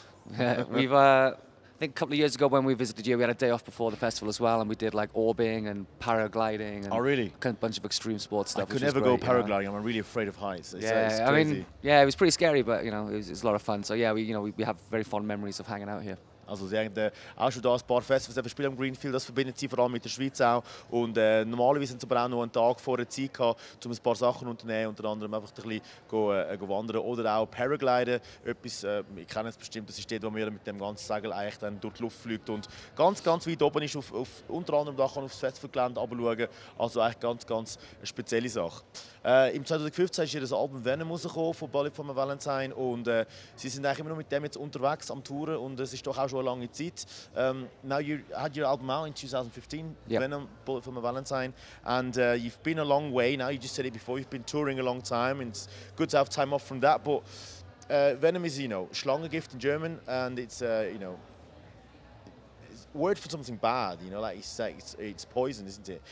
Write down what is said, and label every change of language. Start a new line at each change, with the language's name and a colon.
English: I think a couple of years ago when we visited you, we had a day off before the festival as well, and we did like orbing and paragliding. And oh, really? A bunch of extreme sports stuff. I could never go paragliding. You know? I'm really afraid of heights. It's crazy. I mean, yeah, it was pretty scary, but you know, it was a lot of fun. So yeah, we have very fond memories of hanging out here.
German: Also sie haben auch schon da ein paar Festivals spielen am Greenfield, das verbindet sie vor allem mit der Schweiz auch. Und normalerweise haben sie aber auch noch einen Tag vor der Zeit gehabt, um ein paar Sachen unternehmen, unter anderem einfach ein bisschen wandern oder auch paragliden. Etwas, ich kenne es bestimmt, das ist dort, wo man mit dem ganzen Segel eigentlich dann durch die Luft fliegt und ganz, ganz weit oben ist, auf unter anderem da kann man auf das Festivalgelände runterschauen. Also eigentlich ganz, ganz eine spezielle Sache. Im 2015 ist ihr das Album «Venom» rausgekommen von Bullet von Valentine und sie sind eigentlich immer noch mit dem jetzt unterwegs am Touren und es ist doch auch schon eine lange Zeit.
English: Now you had your album out in 2015, yep. «Venom» Bullet von Valentine and you've been a long way, now you just said it before, you've been touring a long time and it's good to have time off from that, but «Venom» is, you know, Schlangengift in German and it's, you know, word for something bad, you know, like you say, it's poison, isn't it?